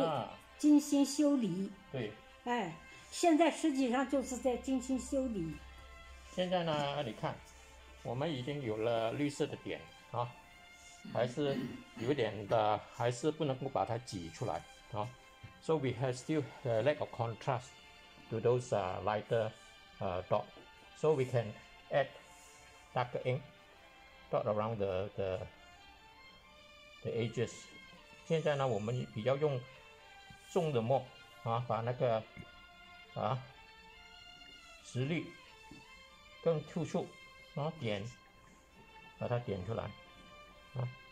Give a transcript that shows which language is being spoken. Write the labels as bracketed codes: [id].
[zh] 啊、精心修理。对，哎，现在实际上就是在精心修理。现在呢，你看我们已经有了绿色的点啊，还是有点的，还是不能够把它挤出来啊。 [en] So we have still the lack of contrast to those lighter dot. So we can add darker ink dot around the edges. [zh] 现在呢，我们比较用重的墨啊，把那个啊实力更突出啊点，把它点出来啊。